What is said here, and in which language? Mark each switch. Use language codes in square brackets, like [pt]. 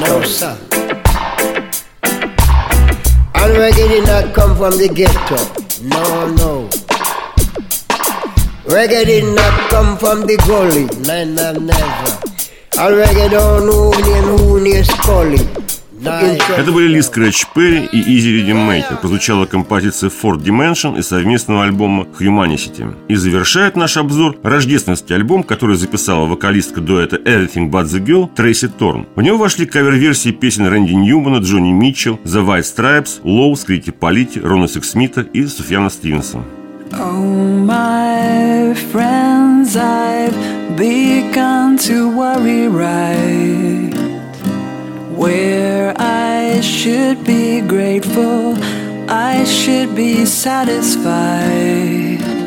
[en] No, sir. And reggae did not come from the ghetto. No, no. Reggae did not come from the gully. Nah, nah, never. А reggae don't know me and who is calling. [ru] Это были Ли Скретч Перри и Изи Ридимейкер. Прозвучала композиция Fourth Dimension из совместного альбома Humanity. И завершает наш обзор рождественский альбом, который записала вокалистка дуэта Everything But The Girl Трейси Торн. В него вошли кавер-версии песен Рэнди Ньюмана, Джонни Митчелл, The White Stripes, Лоу, Скритти Политти, Рона Сексмита и Суфьяна Стивенсона. [en] Oh, my friends, I've begun to worry right where I should be grateful, I should be satisfied.